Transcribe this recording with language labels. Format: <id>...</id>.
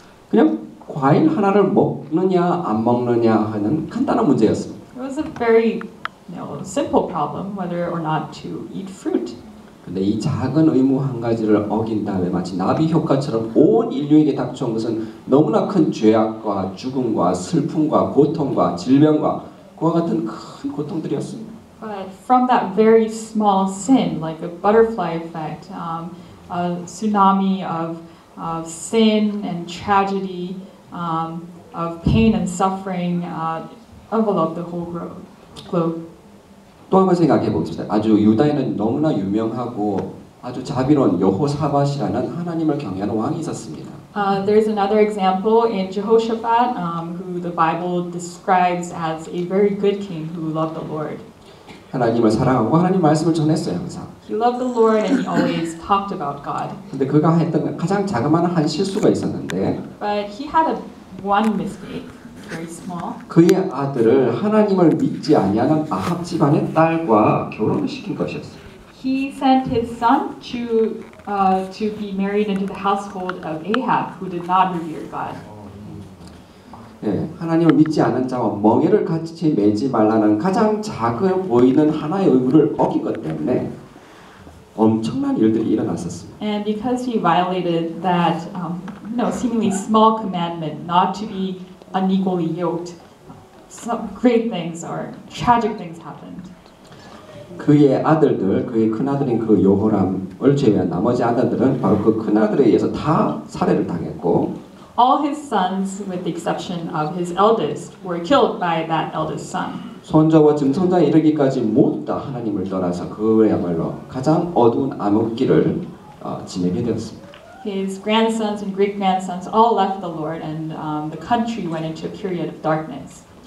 <ko>그냥 과일 하나를 먹느냐 안 먹느냐 하는 간단한 문제였습니다.</ko> <en>It was a very, you know, simple problem whether or not to eat fruit.</en> <ko>근데 이 작은 의무 한 가지를 어긴 다음에 마치 나비 효과처럼 온 인류에게 닥쳐온 것은 너무나 큰 죄악과 죽음과 슬픔과 고통과 질병과 그와 같은 큰 고통들이었습니다.</ko> <en>But from that very small sin, like a butterfly effect, a tsunami of sin and tragedy, of pain and suffering, enveloped the whole globe.</en> <ko>또 한번 생각해 봅시다. 아주 유다에는 너무나 유명하고 아주 자비로운 여호사밧이라는 하나님을 경외하는 왕이 있었습니다.</ko> <en>There's another example in Jehoshaphat, who the Bible describes as a very good king who loved the Lord.</en> <ko>하나님을 사랑하고 하나님 말씀을 전했어요, 항상.</ko> <en>He loved the Lord and he always talked about God.</en> <ko>근데 그가 했던 가장 자그마한 한 실수가 있었는데.</ko> <en>But he had a one mistake, very small.</en> <ko>그의 아들을 하나님을 믿지 아니하는 아합 집안의 딸과 결혼을 시킨 것이었어요.</ko> <en>He sent his son to be married into the household of Ahab, who did not revere God.</en> <ko>예, 하나님을 믿지 않은 자와 멍에를 같이 매지 말라는 가장 작아 보이는 하나의 의무를 어긴 것 때문에 엄청난 일들이 일어났었습니다.</ko> <en>And because he violated that seemingly small commandment not to be unequally yoked, some great things or tragic things happened.</en> <ko>그의 아들들, 그의 큰아들인 그 여호람을 제외한 나머지 아들들은 바로 그 큰아들에 의해서 다 살해를 당했고</ko> <en>All his sons, with the exception of his eldest, were killed by that eldest son.</en> <ko>손자와 증손자에 이르기까지 모두 다 하나님을 떠나서 그야말로 가장 어두운 암흑기를 지내게 되었습니다.</ko> <en>His grandsons and great grandsons all left the Lord, and the country went into a period of darkness.</en>